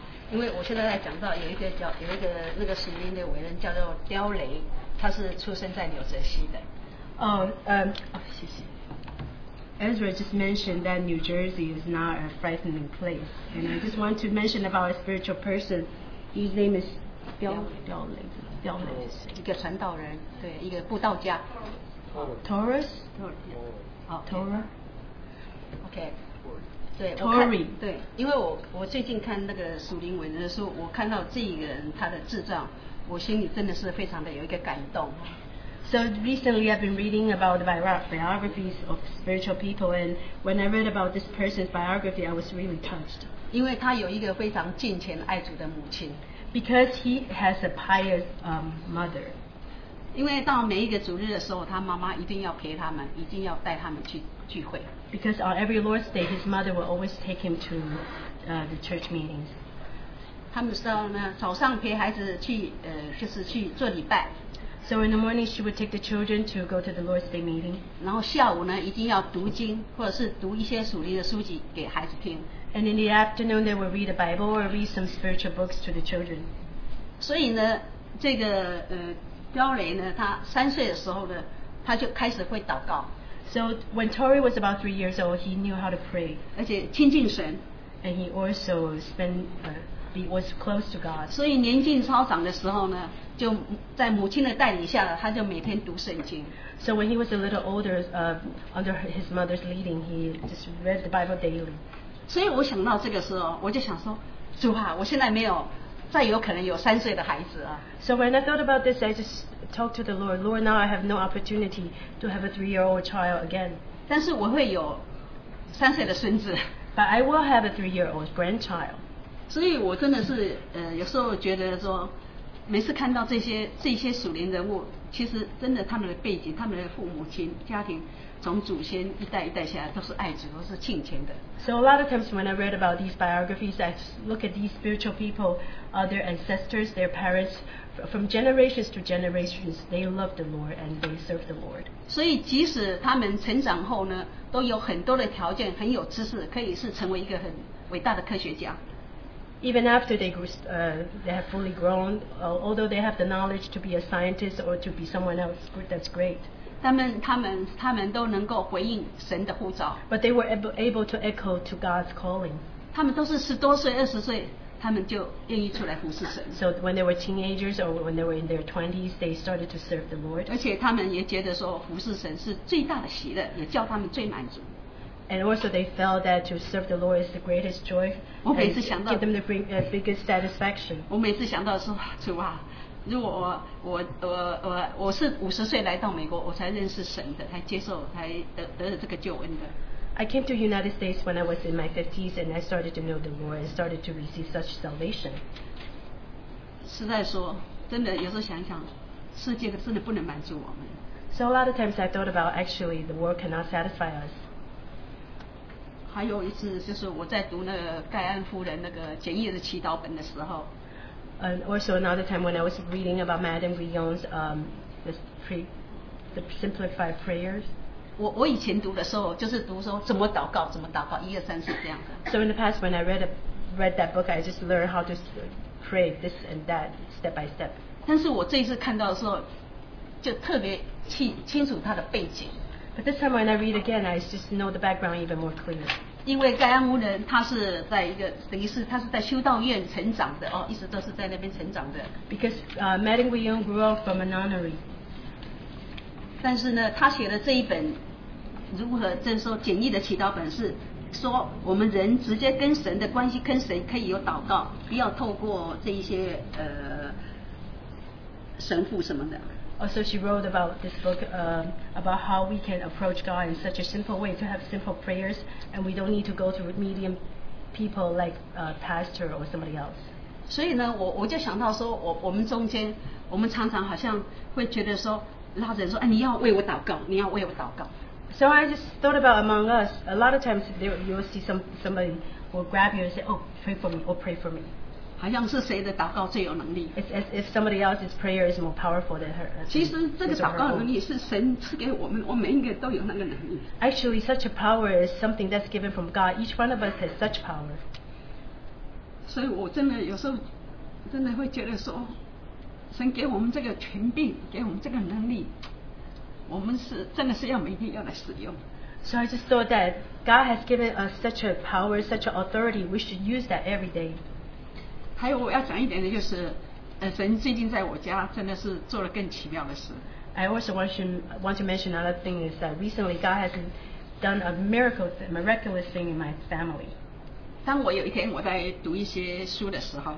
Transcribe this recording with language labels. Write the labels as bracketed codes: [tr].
[zh] 因为我现在在讲到有一个那个属灵的伟人叫做刁雷，他是出生在纽泽西的。谢谢。 [en] Ezra just mentioned that New Jersey is not a frightening place, and I just want to mention about a spiritual person. His name is 刁雷， [zh] 刁雷是一个传道人，对，一个布道家。 [en] Taurus. Taurus. Okay. Tory [zh] 对，因为我最近看那个属灵文的时候，我看到这一个人他的自传，我心里真的是非常的有一个感动。 [en] So recently I've been reading about the biographies of spiritual people, and when I read about this person's biography, I was really touched. [zh] 因为他有一个非常敬虔爱主的母亲。 [en] Because he has a pious mother. [zh] 因为到每一个主日的时候，他妈妈一定要陪他们，一定要带他们去聚会。 [en] Because on every Lord's Day, his mother will always take him to the church meetings. [zh] 他们说呢，早上陪孩子去，就是去做礼拜。 [en] So in the morning, she would take the children to go to the Lord's Day meeting. [zh] 然后下午呢，一定要读经，或者是读一些属灵的书籍给孩子听。 [en] And in the afternoon, they would read the Bible or read some spiritual books to the children. [zh] 所以呢，这个刁雷呢，他三岁的时候呢，他就开始会祷告。 [en] So when Tori was about 3 years old, he knew how to pray. [zh] 而且亲近神。 [en] And he also he was close to God. [zh] 所以年纪稍长的时候呢，就在母亲的带领下，他就每天读圣经。 [en] So when he was a little older, under his mother's leading, he just read the Bible daily. [zh] 所以我想到这个时候，我就想说，主啊，我现在没有再有可能有三岁的孩子啊。 [en] So when I thought about this, I just talk to the Lord. Lord, now I have no opportunity to have a 3-year-old child again. [zh] 但是我会有三岁的孙子。 [en] But I will have a three-year-old grandchild. [zh] 所以我真的是有时候觉得说，每次看到这些属灵人物，其实真的他们的背景，他们的父母亲家庭，从祖先一代一代下来都是爱主，都是敬虔的。 [en] So a lot of times when I read about these biographies, I look at these spiritual people, their ancestors, their parents, from generations to generations, they love the Lord and they serve the Lord. [zh] 所以即使他们成长后呢，都有很多的条件，很有知识，可以是成为一个很伟大的科学家。 [en] Even after they grew, they have fully grown, although they have the knowledge to be a scientist or to be someone else, that's great. [zh] 他们都能够回应神的呼召。 [en] But they were able to echo to God's calling. [zh] 他们都是十多岁、二十岁，他们就愿意出来服侍神。 [en] So when they were teenagers or when they were in their 20s, they started to serve the Lord. [zh] 而且他们也觉得说服侍神是最大的喜乐，也叫他们最满足。 [en] And also they felt that to serve the Lord is the greatest joy and give them the biggest satisfaction. [zh] 我每次想到说，主啊，如果我是五十岁来到美国，我才认识神的，才接受，才得了这个救恩的。 [en] I came to the United States when I was in my 50s and I started to know the Lord and started to receive such salvation. [zh] 实在说，真的有时候想想，世界真的不能满足我们。 [en] So a lot of times I thought about actually the world cannot satisfy us. [zh] 还有一次就是我在读那个盖安夫人那个简易的祈祷本的时候 [en] And also another time when I was reading about Madame Guyon's the simplified prayers [zh] 我以前读的时候就是读说怎么祷告怎么祷告一二三四这样的 [en] So in the past when I read that book I just learned how to pray this and that step by step [zh] 但是我这一次看到的时候就特别清楚它的背景 [en] But this time when I read again, I just know the background even more clear. [zh] 因为盖安夫人她是在一个等于是她是在修道院成长的哦，一直都是在那边成长的。 [en] Because Madame Guyon grew up from a nunnery. [zh] 但是呢，她写的这一本如何就是说简易的祈祷本是说我们人直接跟神的关系，跟神可以有祷告，不要透过这一些神父什么的。 [en] Also, she wrote about this book about how we can approach God in such a simple way to have simple prayers, and we don't need to go to medium people like a pastor or somebody else. [zh] 所以呢，我就想到说，我们中间，我们常常好像会觉得说，拉着人说，哎，你要为我祷告，你要为我祷告。 [en] So I just thought about among us. A lot of times, you'll see somebody will grab you and say, "Oh, pray for me," or "Pray for me." [zh] 好像是谁的祷告最有能力 [en] It's as if somebody else's prayer is more powerful than her [zh] 其实这个祷告能力是神赐给我们我们每一个都有那个能力 [en] Actually such a power is something that's given from God Each one of us has such power [zh] 所以我真的有时候真的会觉得说神给我们这个权柄给我们这个能力我们是真的是要每天要来使用 [en] So I just thought that God has given us such a power such an authority we should use that every day [zh] 还有我要讲一点的就是，神最近在我家真的是做了更奇妙的事。 [en] I also want to mention another thing is that recently God has done a miraculous thing in my family. [zh] 当我有一天我在读一些书的时候